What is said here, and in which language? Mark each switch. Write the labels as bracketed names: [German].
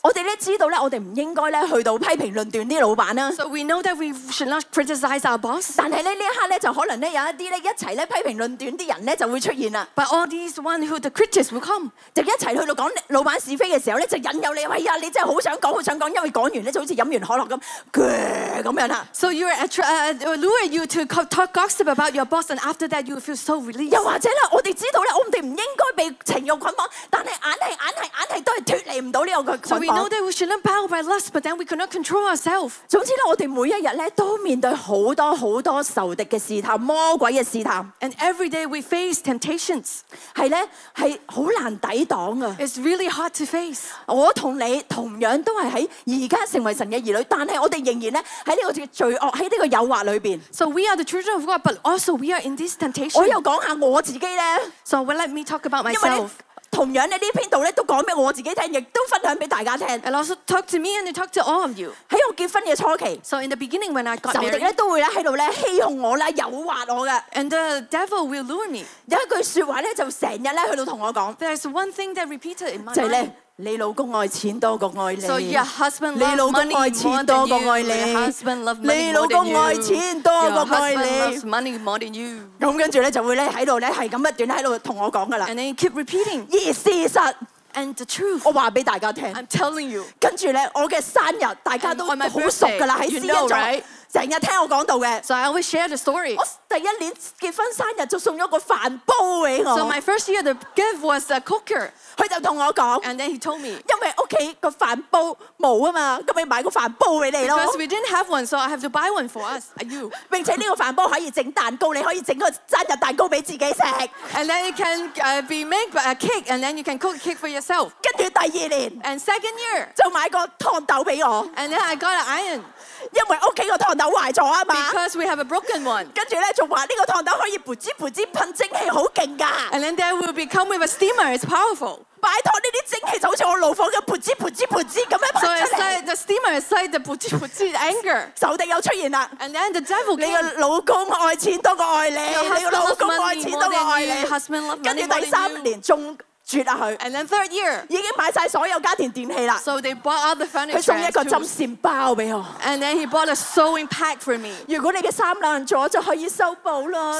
[Cantonese] 我哋咧知道咧，我哋唔應該咧去到批評論斷啲老闆啦。 [English] So we know that we should not criticize our boss. [Cantonese] 但係咧呢一刻咧，就可能咧有一啲咧一齊咧批評論斷啲人咧就會出現啦。 [English] But all these one who the critics will come. [Cantonese] 就一齊去到講老闆是非嘅時候咧，就引誘你，哎呀，你真係好想講，好想講，因為講完咧就好似飲完可樂咁，咁樣啦。 [English] So you lure you to talk gossip about your boss and after that you will feel so relieved. [Cantonese] 又或者咧，我哋知道咧，我哋唔應該被情欲捆綁，但係硬係都係脱離唔到呢個捆綁。 [English] So we know that we shouldn't be bound by lust, but then we cannot control ourselves. [Cantonese] 總之咧，我哋每一日咧都面對好多好多仇敵嘅試探，魔鬼嘅試探。 [English] And every day we face temptations. [Cantonese] 係咧，係好難抵擋啊。 [English] It's really hard to face. [Cantonese] 我同你同樣都係喺而家成為神嘅兒女，但係我哋仍然咧喺呢個嘅罪惡喺呢個誘惑裏邊。 [English] So we are the true of God, but also we are in this temptation. [Cantonese] 我又講下我自己咧。 [English] So well, let me talk about myself. [Cantonese] 同樣咧，呢篇道咧都講俾我自己聽，亦都分享俾大家聽。 [English] And also talk to me and talk to all of you. [Cantonese] 喺我結婚嘅初期。 [English] So in the beginning when I got married. [Cantonese] 仇敵咧都會咧喺度咧欺哄我啦，誘惑我嘅。 [English] And the devil will lure me. [Cantonese] 有一句説話咧就成日咧喺度同我講。 [English] There's one thing that repeated in my mind. [Cantonese] 就係咧。你老公愛錢多過愛你。 [English] So your husband loves money more than you. [Cantonese] 你老公愛錢多過愛你。 [English] Your husband loves money more than you. [Cantonese] 你老公愛錢多過愛你。咁跟住咧就會咧喺度咧係咁不斷喺度同我講噶啦。 [English] And then keep repeating. [Cantonese] 而事實。 [English] And the truth. [Cantonese] 我話俾大家聽。 [English] I'm telling you. [Cantonese] 跟住咧我嘅生日大家都好熟噶啦喺私人座。成日聽我講到嘅。 [English] So I always share the story. [Cantonese] 我第一年結婚生日就送咗個飯煲俾我。 [English] So my first year the gift was a cooker. [Cantonese] 佢就同我講 [English] ，and then he told me， [Cantonese] 因為屋企個飯煲冇啊嘛，咁咪買個飯煲俾你咯。 [English] Because we didn't have one, so I have to buy one for us. Are you？ [Cantonese] 並且呢個飯煲可以整蛋糕，你可以整個生日蛋糕俾自己食。 [English] And then you can be make a cake, and then you can cook a cake for yourself. [Cantonese] 跟住第二年 [English] ，and second year， [Cantonese] 就買個燙斗俾我。 [English] And then I got an iron. [Cantonese] 因為屋企個燙斗壞咗啊嘛 [English] ，because we have a broken one。 [Cantonese] 跟住咧，仲話呢個燙斗可以噗滋噗滋噴蒸汽，好勁噶。 [English] And then there will be come with a steamer, it's powerful。 [Cantonese] 拜託，呢啲蒸汽就好似我怒火嘅噗滋噗滋噗滋咁樣噴出嚟。 [English] So inside the steamer, inside the 噗滋噗滋 anger。 [Cantonese] 仇敵又出現啦。 [English] And then the devil came。 [Cantonese] 你個老公愛錢多過愛你，你個老公愛錢多過愛你。 [English] Your husband loves money more than you。 [Cantonese] 跟住第三年仲。絕啊佢 [English] ！And then third year， [Cantonese] 已經買曬所有家庭電器啦。 [English] So they bought all the furniture. [Cantonese] 佢送一個針線包俾我。 [English] And then he bought a sewing pack for me. [Cantonese] 如果你嘅衫爛咗，就可以修補啦。